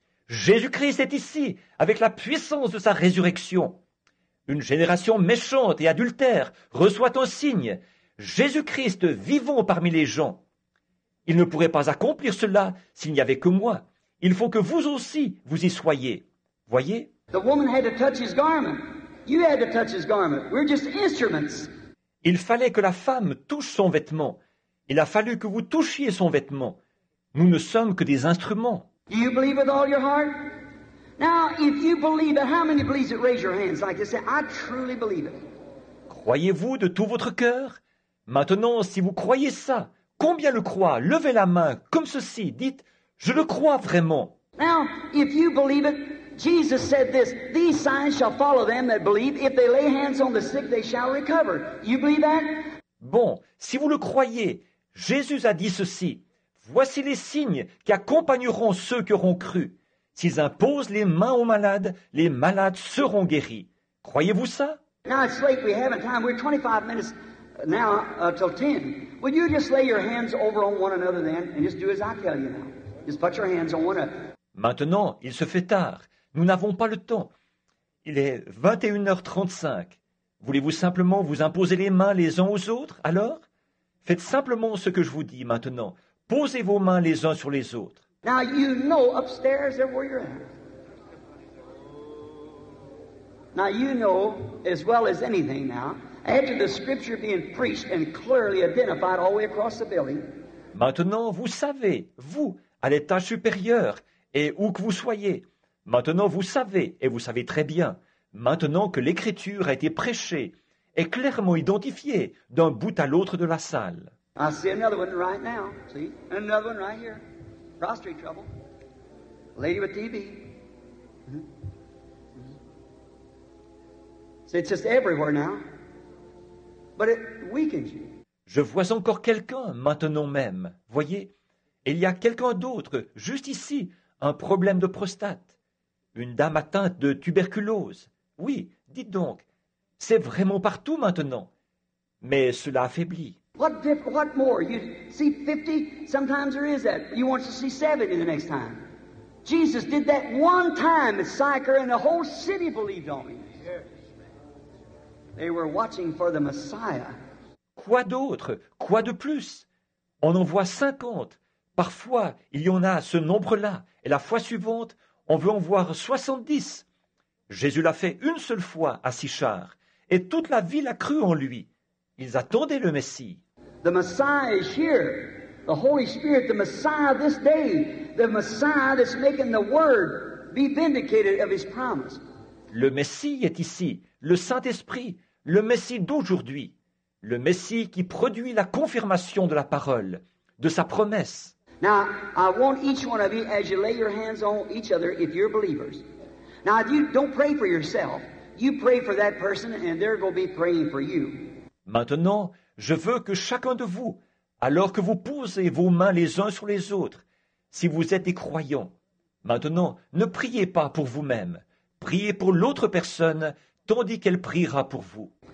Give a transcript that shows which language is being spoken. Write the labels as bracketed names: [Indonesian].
[French] Jésus-Christ est ici avec la puissance de sa résurrection. Une génération méchante et adultère reçoit un signe. Jésus-Christ vivant parmi les gens. Il ne pourrait pas accomplir cela s'il n'y avait que moi. Il faut que vous aussi vous y soyez. Voyez? [English] The woman had to touch his garment. You had to touch his garment. We're just instruments. [French] Il fallait que la femme touche son vêtement. Il a fallu que vous touchiez son vêtement. Nous ne sommes que des instruments. [English] Do you believe with all your heart? Now, if you believe it, how many believe it? Raise your hands like this. I truly believe it. [French] Croyez-vous de tout votre cœur? Maintenant, si vous croyez ça, combien le croient? Levez la main comme ceci. Dites, je le crois vraiment. [English] Now, if you believe it, Jesus said this. These signs shall follow them that believe. If they lay hands on the sick, they shall recover. You believe that? [French] Bon, si vous le croyez, Jésus a dit ceci, « Voici les signes qui accompagneront ceux qui auront cru. S'ils imposent les mains aux malades, les malades seront guéris. » Croyez-vous ça? [English] Now it's late, we haven't time. We're 25 minutes now till 10. Would you just lay your hands over on one another then and just do as I tell you now? Just put your hands on one another. [French] Maintenant, il se fait tard. Nous n'avons pas le temps. Il est 21h35. Voulez-vous simplement vous imposer les mains les uns aux autres, alors? Faites simplement ce que je vous dis maintenant. Posez vos mains les uns sur les autres. [English] Now you know upstairs and where you're at. Now you know as well as anything now, after the scripture being preached and clearly identified all the way across the building. [French] Maintenant, vous savez, vous, à l'étage supérieur, et où que vous soyez, maintenant vous savez, et vous savez très bien, maintenant que l'Écriture a été prêchée, est clairement identifiée d'un bout à l'autre de la salle. [English] I see another one right now, see? Another one right here. Prostate trouble. Lady with TB. So it's just everywhere now. But it weakens you. [French] Je vois encore quelqu'un maintenant même. Voyez, il y a quelqu'un d'autre, juste ici, un problème de prostate. Une dame atteinte de tuberculose. Oui, dites donc, c'est vraiment partout maintenant. Mais cela affaiblit. [English] What more? You see 50? Sometimes there is that. You want to see 70 the next time. Jesus did that one time at Sychar and the whole city believed on him. They were watching for the Messiah. [French] Quoi d'autre? Quoi de plus? On en voit 50. Parfois, il y en a ce nombre-là. Et la fois suivante, on veut en voir 70. Jésus l'a fait une seule fois à Sychar. Et toute la ville a cru en lui. Ils attendaient le Messie. [English] The Messiah is here. The Holy Spirit, the Messiah this day. The Messiah that's making the Word be vindicated of His promise. [French] Le Messie est ici. Le Saint-Esprit. Le Messie d'aujourd'hui. Le Messie qui produit la confirmation de la parole, de sa promesse. [English] Now, I want each one of you, as you lay your hands on each other, if you're believers. Now, if you don't pray for yourself, you pray for that person, and they're going to be praying for you. [French] Maintenant, je veux que chacun de vous, alors que vous posez vos mains les uns sur les autres, si vous êtes des croyants, maintenant, ne priez pas pour vous-même. Priez pour l'autre personne, tandis qu'elle priera pour vous.